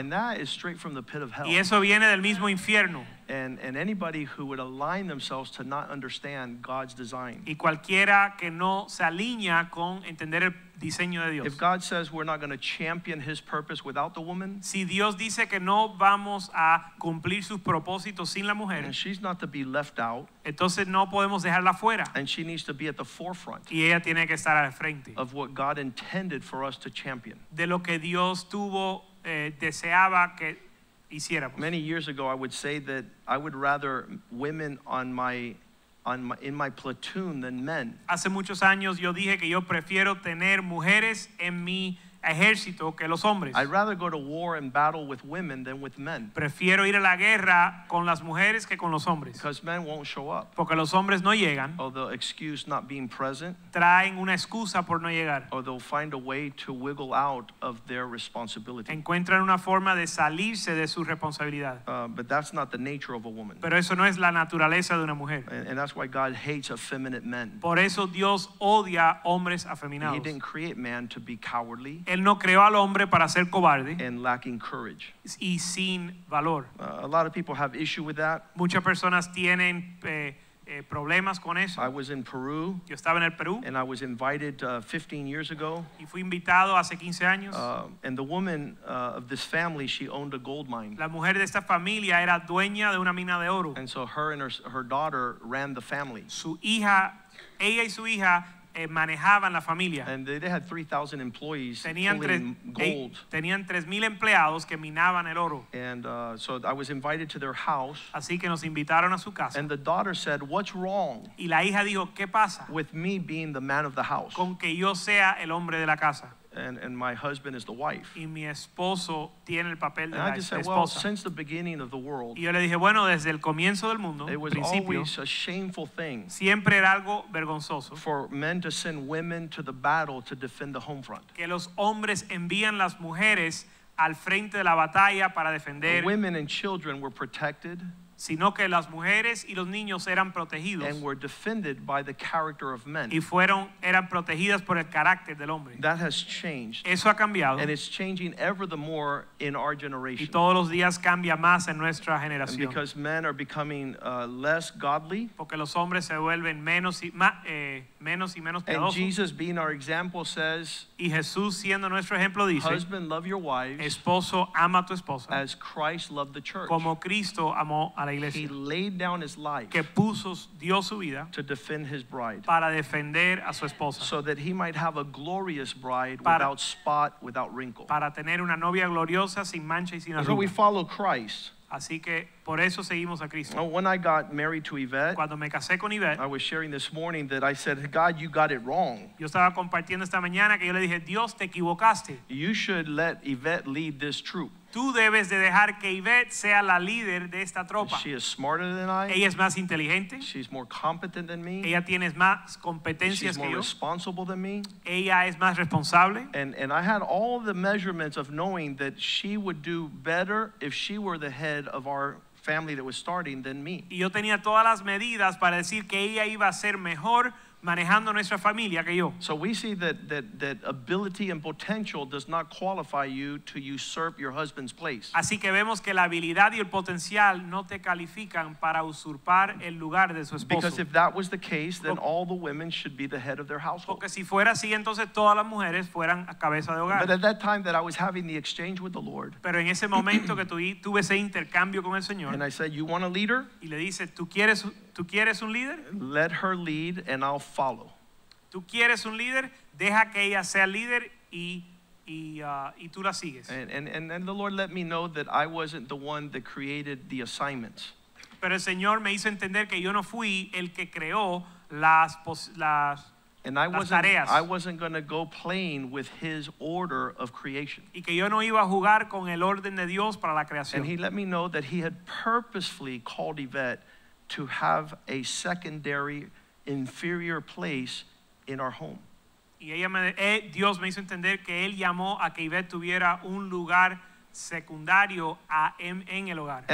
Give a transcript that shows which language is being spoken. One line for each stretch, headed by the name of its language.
English: And that is straight from the pit of hell.
Spanish: Y eso viene del mismo infierno.
English: And anybody who would align themselves to not understand God's design.
Spanish: Y cualquiera que no se alinea con entender el diseño de Dios.
English: If God says we're not going to champion His purpose without the woman,
Spanish: si Dios dice que no vamos a cumplir sus propósitos sin la mujer,
English: and she's not to be left out,
Spanish: entonces no podemos dejarla fuera.
English: And she needs to be at the forefront,
Spanish: y ella tiene que estar al frente,
English: of what God intended for us to champion,
Spanish: de lo que Dios tuvo deseaba que hiciéramos.
English: Many years ago, I would say that I would rather women in my platoon than men.
Spanish: Hace muchos años yo dije que yo prefiero tener mujeres en mi ejército que los hombres.
English: I'd rather go to war and battle with women than with men.
Spanish: Prefiero ir a la guerra con las mujeres que con los hombres.
English: Because men won't show up.
Spanish: Porque los hombres no llegan.
English: Or they'll excuse not being present.
Spanish: Traen una excusa por no llegar.
English: Or they'll find a way to wiggle out of their responsibility.
Spanish: Encuentran una forma de salirse de su responsabilidad.
English: But that's not the nature of a woman.
Spanish: Pero eso no es la naturaleza de una mujer.
English: And that's why God hates effeminate men.
Spanish: Por eso Dios odia hombres afeminados.
English: He didn't create man to be cowardly.
Spanish: Él no creó al hombre para ser cobarde
English: and lacking courage.
Spanish: Y sin valor.
English: A lot of people have issue with that.
Spanish: Muchas personas tienen problemas con eso.
English: I was in Peru.
Spanish: Yo estaba en el Perú.
English: And I was invited 15 years ago.
Spanish: Y fui invitado hace 15 años.
English: And the woman of this family, she owned a gold mine.
Spanish: La mujer de esta familia era dueña de una mina de oro.
English: And so her and her daughter ran the family.
Spanish: Su hija, ella y su hija, manejaban la familia.
English: And they had 3,000 employees pulling gold.
Spanish: Tenían 3,000 empleados que minaban el oro.
English: And so I was invited to their house.
Spanish: Así que nos invitaron a su casa.
English: And the daughter said, "What's wrong?"
Spanish: Y la hija dijo, "¿Qué pasa?"
English: With me being the man of the house.
Spanish: Con que yo sea el hombre de la casa.
English: And my husband is the wife.
Spanish: Y mi esposo tiene el papel de la esposa.
English: And I just said, "Well, since the beginning of the world."
Spanish: Y yo le dije, "Bueno, desde el comienzo del mundo,
English: it was always a shameful thing."
Spanish: Siempre era algo vergonzoso.
English: For men to send women to the battle to defend the home front.
Spanish: Que los hombres envían las mujeres al frente de la batalla para defender.
English: The women and children were protected.
Spanish: Sino que las mujeres y los niños eran protegidos.
English: And were defended by the character of men.
Spanish: Y eran protegidas por el carácter del hombre.
English: That has changed.
Spanish: Eso ha cambiado.
English: And it's changing ever the more in our generation.
Spanish: Y todos los días cambia más en nuestra generación.
English: And because men are becoming less godly.
Spanish: Porque los hombres se vuelven menos y más, menos y menos piadosos.
English: And Jesus being our example says.
Spanish: Y Jesús siendo nuestro ejemplo dice.
English: Husband, love your wives.
Spanish: Esposo, ama a tu esposa.
English: As Christ loved the church.
Spanish: Como Cristo amó.
English: He laid down his life
Spanish: que puso, dio su vida
English: to defend his bride
Spanish: para defender a su esposa.
English: So that he might have a glorious bride para, without spot, without wrinkle.
Spanish: Para tener una novia gloriosa, sin mancha y sin arruga.
English: So we follow Christ.
Spanish: Así que por eso seguimos a Cristo.
English: Well, when I got married to Yvette,
Spanish: cuando me casé con Yvette,
English: I was sharing this morning that I said, "God, you got it wrong."
Spanish: Yo estaba compartiendo esta mañana que yo le dije, "Dios, te equivocaste."
English: You should let Yvette lead this troop.
Spanish: Tú debes de dejar que Yvette sea la líder de esta tropa.
English: She is smarter than I.
Spanish: Ella es más inteligente.
English: She's more competent than me.
Spanish: Ella tiene más competencias
English: She's
Spanish: que
English: more
Spanish: yo.
English: Responsible than me.
Spanish: Ella es más responsable.
English: And I had all the measurements of knowing that she would do better if she were the head of our family that was starting than me.
Spanish: Y yo tenía todas las medidas para decir que ella iba a ser mejor manejando nuestra familia que yo.
English: So we see that ability and potential does not qualify you to usurp your husband's place.
Spanish: Así que vemos que la habilidad y el potencial no te califican para usurpar el lugar de su esposo.
English: Because if that was the case, then all the women should be the head of their household.
Spanish: Porque si fuera así, entonces todas las mujeres fueran a cabeza de hogar.
English: But at that time that I was having the exchange with the Lord.
Spanish: Pero en ese momento que tuve ese intercambio con el Señor.
English: And I said, "You want a leader?"
Spanish: Y le dice, ¿Tú quieres un líder?
English: Let her lead and I'll follow.
Spanish: ¿Tú quieres un líder? Deja que ella sea líder y tú la sigues.
English: And the Lord let me know that I wasn't the one that created the assignments.
Spanish: Pero el Señor me hizo entender que yo no fui el que creó las
English: And I wasn't going to go playing with his order of creation.
Spanish: Y que yo no iba a jugar con el orden de Dios para la creación.
English: And he let me know that he had purposefully called Yvette to have a secondary, inferior place in our home.
Spanish: Y Dios me hizo entender que él llamó a que Yvette tuviera un lugar secundario en el hogar.